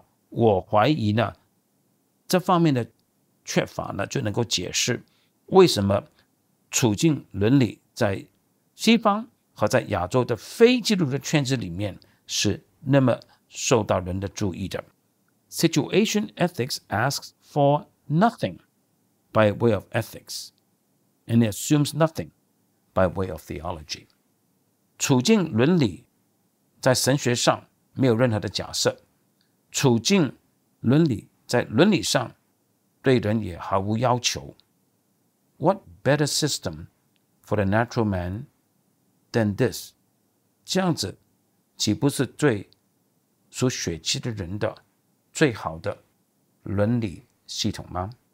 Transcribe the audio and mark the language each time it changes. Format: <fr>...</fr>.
<zh>我怀疑呢，这方面的缺乏呢，就能够解释为什么处境伦理在西方和在亚洲的非基督的圈子里面是那么受到人的注意的。</zh> <en>Situation ethics asks for nothing by way of ethics, and it assumes nothing by way of theology.</en> <zh>处境伦理在神学上没有任何的假设。处境伦理在伦理上对人也毫无要求。</zh> <en>What better system for the natural man than this?</en> <zh>这样子岂不是最属血气的人的最好的伦理系统吗？</zh>